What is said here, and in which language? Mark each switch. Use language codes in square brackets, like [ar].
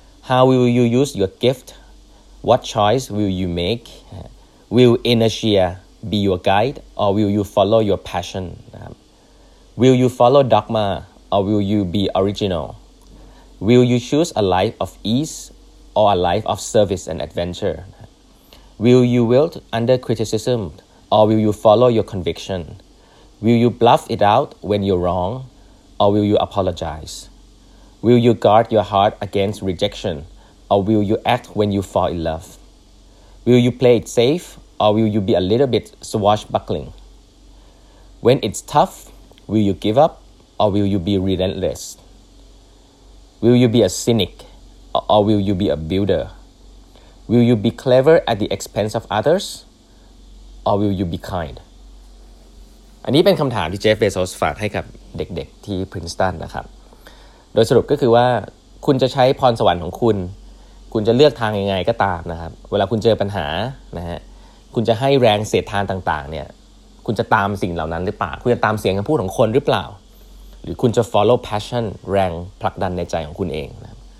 [en] how will you use your gift what choice will you make will inertia be your guide or will you follow your passion นะครับ will you follow dogma or will you be original will you choose a life of ease or a life of service and adventureWill you wilt under criticism, or will you follow your conviction? Will you bluff it out when you're wrong, or will you apologize? Will you guard your heart against rejection, or will you act when you fall in love? Will you play it safe, or will you be a little bit swashbuckling? When it's tough, will you give up, or will you be relentless? Will you be a cynic, or will you be a builder? Will you be clever at the expense of others, or will you be kind? [th] อันนี้เป็นคำถามที่เจฟเบโซสฝากให้กับเด็กๆที่พรินสตันนะครับโดยสรุปก็คือว่าคุณจะใช้พรสวรรค์ของคุณจะเลือกทางยังไงก็ตามนะครับเวลาคุณเจอปัญหานะฮะคุณจะให้แรงเสียดทานต่างๆเนี่ยคุณจะตามสิ่งเหล่านั้นหรือเปล่าคุณจะตามเสียงคำพูดของคนหรือเปล่าหรือคุณจะ [en] follow passion [th] แรงผลักดันในใจของคุณเองนะ